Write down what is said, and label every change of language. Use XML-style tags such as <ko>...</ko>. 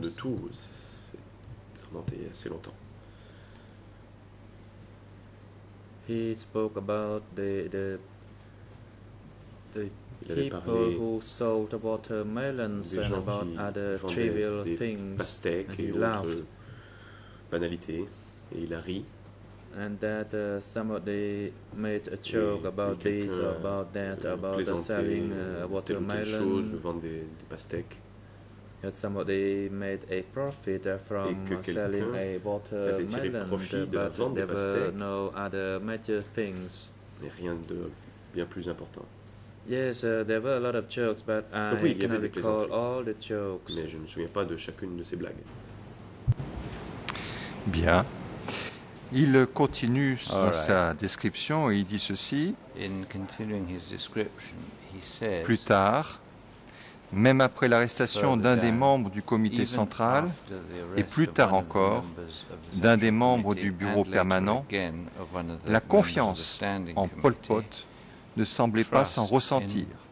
<fr>De tout, c'est assez longtemps.</fr> <en>He spoke about the people who sold watermelons and about other trivial things.</en> <fr>Pastèques et d'autres banalités, et il a ri.</fr> <en>And that somebody made a joke about this, about that, about selling watermelon. That somebody made a profit from selling a watermelon, but there were no other major things.</en> <fr>Rien de bien plus important.</fr> <en>Yes, there were a lot of jokes, but I cannot recall all the jokes.</en> <fr>Mais je ne me souviens pas de chacune de ces blagues. Bien. Il continue sa description et il dit ceci.</fr> <en>In continuing his description, he says,</en> <fr>plus tard, même après l'arrestation d'un des membres du comité central et plus tard encore d'un des membres du bureau permanent, la confiance en Pol Pot ne semblait pas s'en ressentir.</fr>